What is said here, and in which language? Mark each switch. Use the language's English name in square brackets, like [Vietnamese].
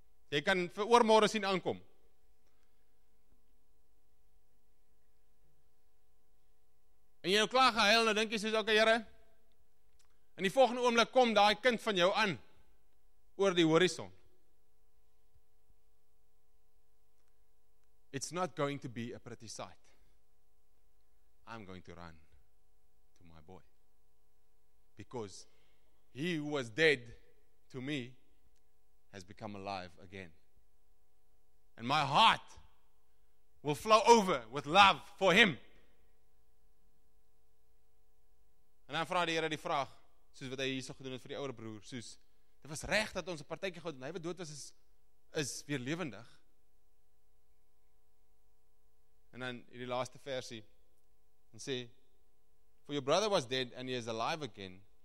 [Afrikaans] Jy kan vir oormôre sien aankom. En jy nou klaar gehuil, nou dink jy soos, okay, Here, in die volgende oomblik kom daai kind van jou aan oor die horison. [English] It's not going to be a pretty sight. I'm going to run to my boy. Because he who was dead to me has become alive again. And my heart will flow over with love for him. [Afrikaans] En dan vra die Here die vraag, soos wat hy hierso gedoen het vir die ouer broer, soos, dit was reg dat ons 'n partytjie gehad het, hy wat dood was is weer lewendig. En dan hierdie laaste versie, en sê, [English] for your brother was dead and he is alive again.